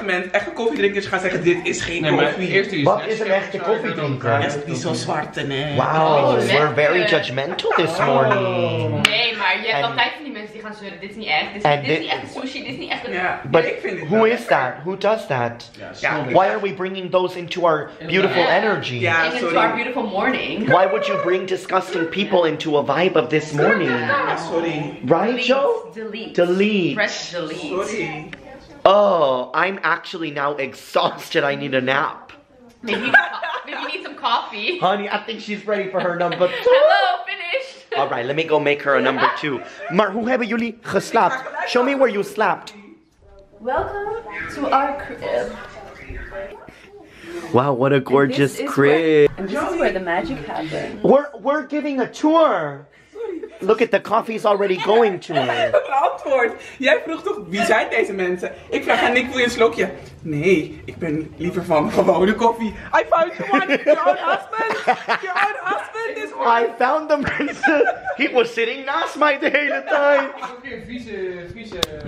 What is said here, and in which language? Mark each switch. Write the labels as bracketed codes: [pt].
[nl] Echte koffiedrinkers gaan zeggen, dit is geen koffie. Wat is een echte koffiedrinker? Echt niet zo zwarte, nee. [en] Wow, we're very judgmental this morning. [nl] Nee, maar je hebt altijd van die mensen die gaan zeuren, dit is niet echt. Dit is niet echt sushi, dit is niet echt... [en] Yeah. But who is that? Who does that? Why are we bringing those into our beautiful energy? Yeah, into our beautiful morning. Why would you bring disgusting people into a vibe of this morning? Sorry. Right, Joe? Delete. Press delete. Sorry. Oh, I'm actually now exhausted. I need a nap. Maybe you need some coffee. Honey, I think she's ready for her number two. Hello, finished. All right, let me go make her a number two. [nl] Maar hoe hebben jullie geslapen? [en] Show me where you slept. Welcome to our crib. Wow, what a gorgeous crib. And this is where the magic happens. We're giving a tour. Look at the coffee's already going to me. [nl] Beantwoord. Jij vroeg toch wie zijn deze mensen? Ik vraag aan Nick, wil je een slokje? Nee, ik ben liever van gewone koffie. [en] I found the one. Your husband is one. I found the prince. He was sitting [nl] naast mij de hele tijd. Oké, vieze.